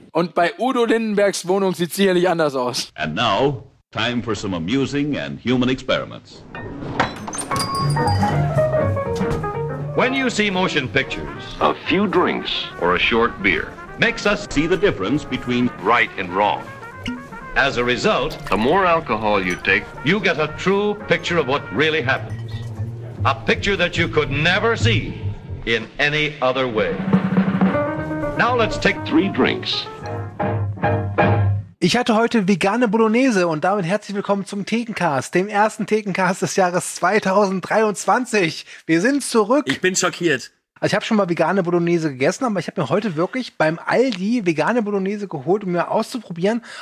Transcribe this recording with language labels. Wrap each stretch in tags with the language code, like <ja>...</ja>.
<de>Und bei Udo Lindenbergs Wohnung sieht es sicherlich anders aus.</de> <en>And now, time for some amusing and human experiments. When you see motion pictures, a few drinks or a short beer makes us see the difference between right and wrong. As a result, the more alcohol you take, you get a true picture of what really happens. A picture that you could never see in any other way. Now let's take three drinks.</en> <de>Ich hatte heute vegane Bolognese und damit herzlich willkommen zum Thekencast, dem ersten Thekencast des Jahres 2023. Wir sind zurück. Ich bin schockiert. Also ich habe schon mal vegane Bolognese gegessen, aber ich habe mir heute wirklich beim Aldi vegane Bolognese geholt, um mir auszuprobieren.</de>